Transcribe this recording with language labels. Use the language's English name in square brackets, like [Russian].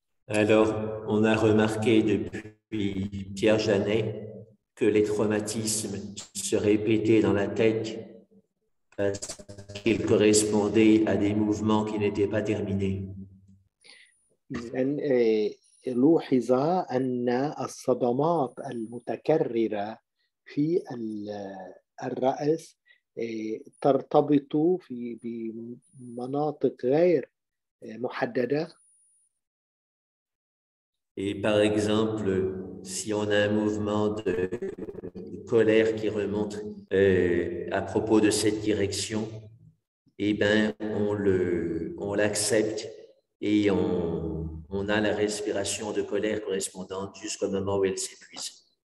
[French] Alors, on a remarqué depuis Pierre Janet que les traumatismes se répétaient dans la tête parce qu'ils correspondaient à des mouvements qui n'étaient pas terminés. [Arabic] إذن لوحظ أن الصدمات المتكررة في الرأس ترتبط في بمناطق غير محددة. [French] Et par exemple, si on a un mouvement de colère qui remonte à propos de cette direction, eh ben, on l'accepte et on a la respiration de colère correspondante jusqu'au moment où elle s'épuise.